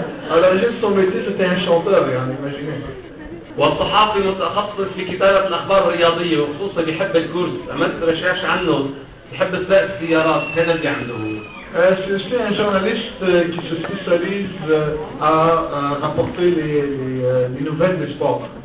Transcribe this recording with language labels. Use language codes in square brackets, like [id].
[fr] Alors juste son métier, c'était un chanteur, imaginez. [ar] والصحافي متخصص في كتابة الأخبار الرياضية وخصوصا بيحب الكورس، عملت رشاش عنه، بيحب سباق السيارات، هذا اللي عنده. [fr] Je suis un journaliste qui se spécialise à rapporter les nouvelles des sports.